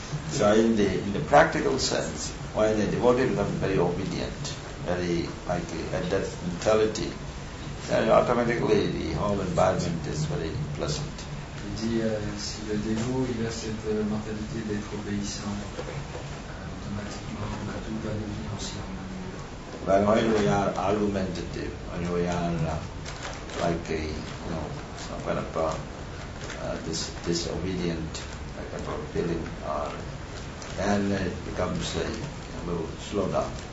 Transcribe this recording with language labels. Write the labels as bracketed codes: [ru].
[en] So in the practical sense, when a devotee becomes very obedient, very like at that mentality, then automatically the whole environment is very pleasant. [fr] Si le dévot il a cette mentalité d'être obéissant, automatiquement on va tout va devenir aussi harmonieux. [en] But when we are argumentative, when we are like a, you know, when about this disobedient, like about feeling, or then it becomes a little slow down.